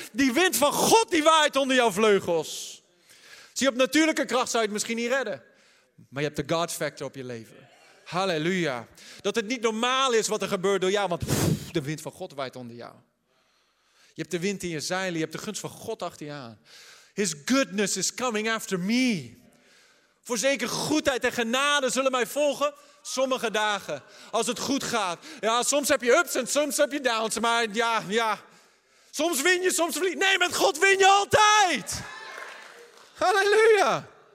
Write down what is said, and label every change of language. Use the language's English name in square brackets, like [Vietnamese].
[Dutch] Die wind van God die waait onder jouw vleugels. Zie, op natuurlijke kracht zou je het misschien niet redden. Maar je hebt de God factor op je leven. Halleluja. Dat het niet normaal is wat er gebeurt door jou, want de wind van God waait onder jou. Je hebt de wind in je zeilen, je hebt de gunst van God achter je aan. [English] His goodness is coming after me. [Dutch] Voorzeker goedheid en genade zullen mij volgen sommige dagen. Als het goed gaat. Ja, soms heb je ups en soms heb je downs. Maar ja. Soms win je, soms verlies. Nee, met God win je altijd. Halleluja.